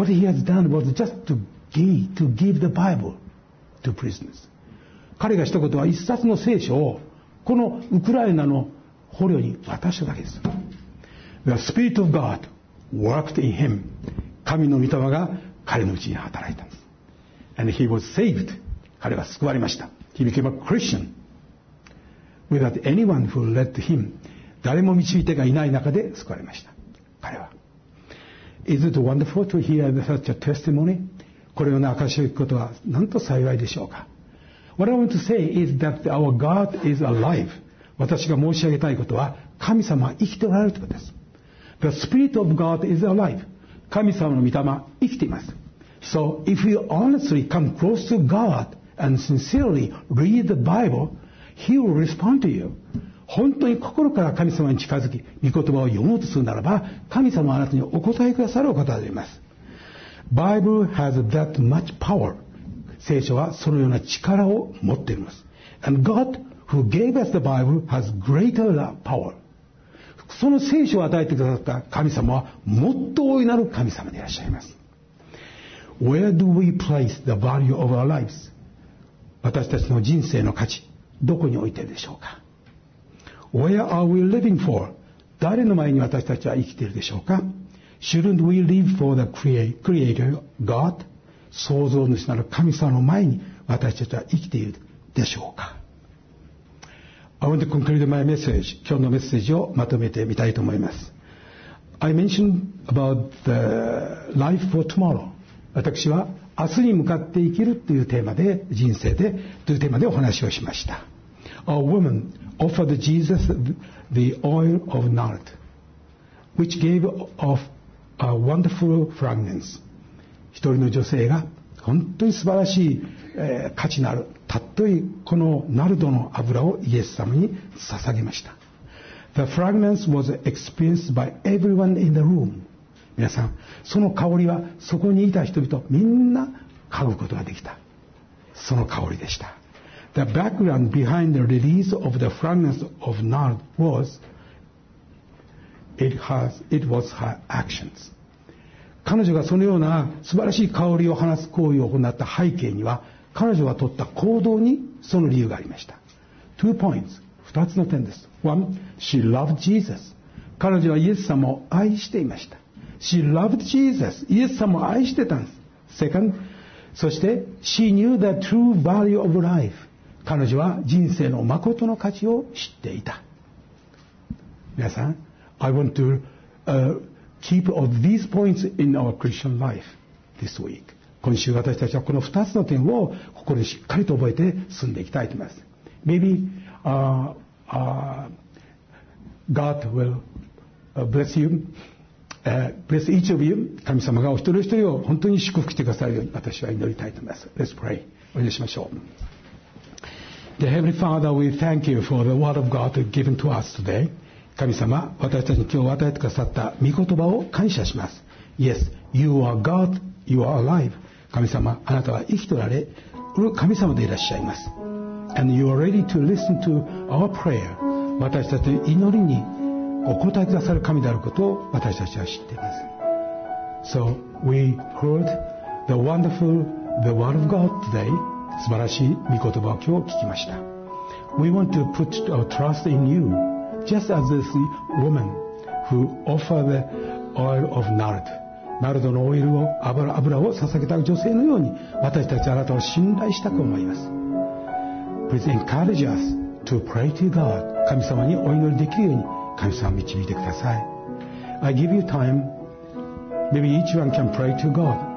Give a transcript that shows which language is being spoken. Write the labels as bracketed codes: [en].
[en] What he has done was just to give the Bible to prisoners. [ja] 彼がしたことは一冊の聖書をこのウクライナの捕虜に渡しただけです。 [en] The Spirit of God worked in him. [ja] 神の御霊が彼のうちに働いたんです。 [en] And he was saved. [ja] 彼は救われました。 [en] He became a Christian without anyone who led him. [ja] 誰も導いてがいない中で救われました。彼は。 [en] Is it wonderful to hear such a testimony? [ja] これを証し聞くことはなんと幸いでしょうか。 [en] What I want to say is that our God is alive. [ja] 私が申し上げたいことは、神様は生きておられるということです。 [en] The Spirit of God is alive. [ja] 神様の御霊は生きています。 [en] So if you honestly come close to God and sincerely read the Bible, He will respond to you. [ja] 本当に心から神様に近づき、御言葉を読もうとするならば、神様はあなたにお答えくださるお方であります。 [en] Bible has that much power. [ja] 聖書はそのような力を持っています。 [en] And God who gave us the Bible has greater power. [ja] その聖書を与えてくださった神様はもっと大いなる神様でいらっしゃいます。 [en] Where do we place the value of our lives? [ja] 私たちの人生の価値、どこに置いているでしょうか。 [en] Where are we living for? [ja] 誰の前に私たちは生きているでしょうか。 [en] Shouldn't we live for the Creator God? [ja] 創造主なる神様の前に私たちは生きているでしょうか。 [en] I want to conclude my message. [ja] 今日のメッセージをまとめてみたいと思います。 [en] I mentioned about the life for tomorrow. [ja] 私は明日に向かって生きるというテーマで、人生でというテーマでお話をしました。 [en] A womanOffered Jesus the oil of nard, which gave off a wonderful fragrance. [ja] 一人の女性が本当に素晴らしい、価値のあるたっといこのナルドの油をイエス様に捧げました。 [en] The fragrance was experienced by everyone in the room. [ja] 皆さん、その香りはそこにいた人々みんな嗅ぐことができた。その香りでした。 [en] The background behind the release of the fragrance of nard was it was her actions. [ja] 彼女がそのような素晴らしい香りを放つ行為を行った背景には、彼女が取った行動にその理由がありました。 [en] Two points. [ja] 二つの点です。 [en] One, she loved Jesus. [ja] 彼女はイエス様を愛していました。 [en] She loved Jesus. [ja] イエス様を愛してたんです。 [en] Second, [ja] そして [en] she knew the true value of life. [ja] 彼女は人生の誠の価値を知っていた。皆さん、 [en] I want to keep all these points in our Christian life this week. [ja] 今週私たちはこの2つの点を心にしっかりと覚えて進んでいきたいと思います。 [en] Maybe God will bless you, bless each of you. [ja] 神様がお一人一人を本当に祝福してくださるように私は祈りたいと思います。 [en] Let's pray. [ja] お祈りしましょう。 [en] The Heavenly Father, we thank you for the Word of God given to us today. [ja] 神様、私たちに今日与えてくださった御言葉を感謝します。 [en] Yes, you are God, you are alive. [ja] 神様、あなたは生きておられる神様でいらっしゃいます。 [en] And you are ready to listen to our prayer. [ja] 私たちの祈りにお応えくださる神であることを私たちは知っています。 [en] So, we heard the Word of God today. [ja] 素晴らしい御言葉を今日聞きました。 [en] We want to put our trust in you just as this woman who offered the oil of nard. [ja] ナルドのオイルを油を捧げた女性のように、私たちはあなたを信頼したと思います。 [en] Please encourage us to pray to God. [ja] 神様にお祈りできるように神様を導いてください。 [en] I give you time. Maybe each one can pray to God.